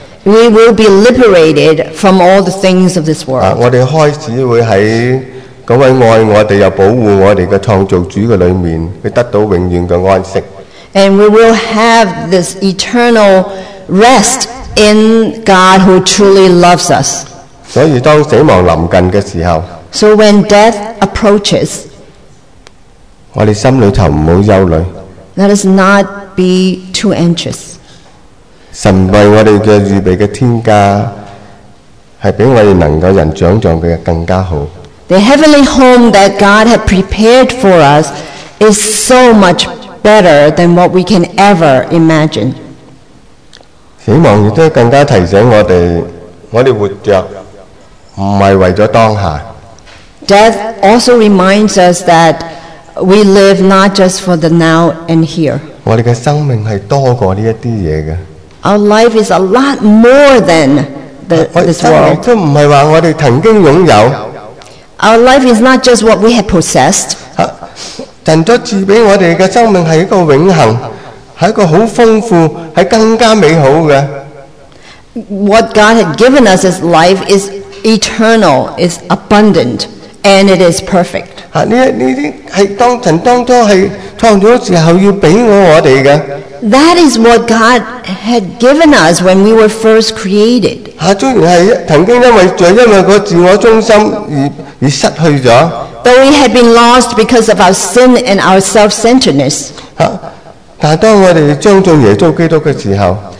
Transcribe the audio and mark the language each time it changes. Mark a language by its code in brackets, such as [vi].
[en] We will be liberated from all the things of this world. [yue] 我哋开始会喺嗰位爱我哋又保护我哋嘅创造主嘅里面，去得到永远嘅安息。 [en] And we will have this eternal rest in God who truly loves us. [yue] 所以当死亡临近嘅时候 [en] ，So when death approaches， [yue] 我哋心里头唔好忧虑。 [en] Let us not be too anxious. [yue] 神为我哋嘅预备嘅天家，系比我哋能够人想象嘅更加好。 [en] The heavenly home that God had prepared for us is so much better than what we can ever imagine. [yue] 死亡亦都更加提醒我哋，我哋活着唔系为咗当下。 [en] Death also reminds us that we live not just for the now and here. [yue] 我哋嘅生命系多过呢一啲嘢嘅。 [en] Our life is a lot more than this world. [yue] 即唔系话我哋曾经拥有。 [en] Our life is not just what we have possessed. [yue] 神所赐俾我哋嘅生命系一个永恒，系一个好丰富，系更加美好嘅。 [en] What God had given us as life is eternal, is abundant, and it is perfect. [yue] 呢啲系当神当初系创造时候要俾我哋嘅。 [en] That is what God had given us when we were first created. [yue] 虽然系曾经因为个自我中心而失去咗。 [en] But we had been lost because of our sin and our self-centeredness. [yue] 但当我哋相信耶稣基督嘅时候